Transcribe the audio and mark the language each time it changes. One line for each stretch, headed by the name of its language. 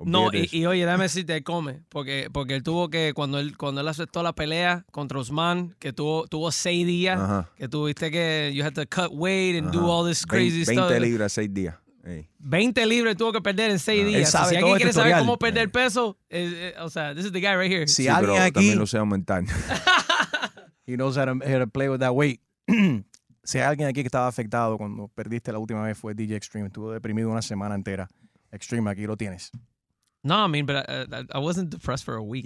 Spanish: No, y oye, dame si te come, porque él tuvo que, cuando él aceptó la pelea contra Usman, que tuvo 6 días, ajá, que tuviste que,
English: you had to cut weight and ajá, do all this crazy 20 stuff.
Spanish: 20 libras, 6 días. Ey. 20 libras tuvo que perder en 6 días. Si alguien quiere tutorial, saber cómo perder peso, o sea,
English: this is the guy right here.
Spanish: Si sí, alguien aquí también lo sé aumentar.
English: He knows how to play with that weight.
Spanish: Si hay alguien aquí que estaba afectado cuando perdiste la última vez fue DJ Extreme. Estuvo deprimido una semana entera. Extreme, aquí lo tienes.
English: No, I mean, but I wasn't depressed for a week.